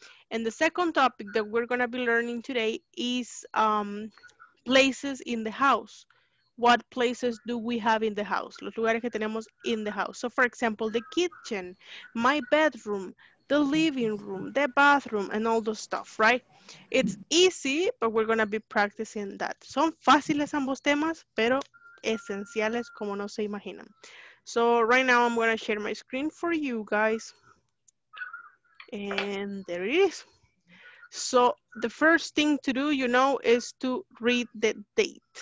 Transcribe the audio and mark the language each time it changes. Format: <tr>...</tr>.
<en>And the second topic that we're going to be learning today is places in the house. What places do we have in the house?</en> <es>Los lugares que tenemos</es> <en>in the house. So, for example, the kitchen, my bedroom, the living room, the bathroom, and all the stuff, right? It's easy, but we're going to be practicing that.</en> <es>Son fáciles ambos temas, pero esenciales como no se imaginan.</es> <en>So, right now, I'm going to share my screen for you guys. And there it is. So the first thing to do, you know, is to read the date.</en>